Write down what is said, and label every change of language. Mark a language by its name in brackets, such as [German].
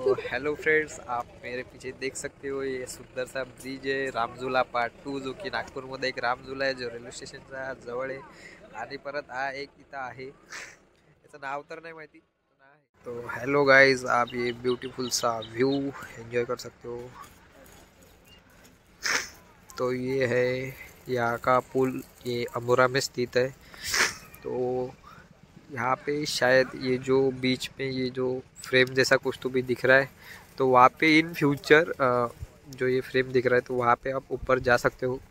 [Hindi] Hello friends, आप मेरे पीछे देख सकते हो ये सुंदर सा ब्रिज है, रामझुला पार्ट टू, जो कि नागपुर में एक रामझुला है जो रेलवे स्टेशन का जवळ है। [Marathi] आणि परत आ एक इथं आहे, याचं नाव तर नाही माहिती। [Hindi] तो हेलो गाइज, आप ये ब्यूटीफुल सा व्यू एंजॉय कर सकते हो। तो ये है यहाँ का पुल, ये अमोरा में स्थित है। तो यहाँ पे शायद ये जो बीच में ये जो फ्रेम जैसा कुछ तो भी दिख रहा है, तो वहाँ पे इन फ्यूचर जो ये फ्रेम दिख रहा है, तो वहाँ पे आप ऊपर जा सकते हो।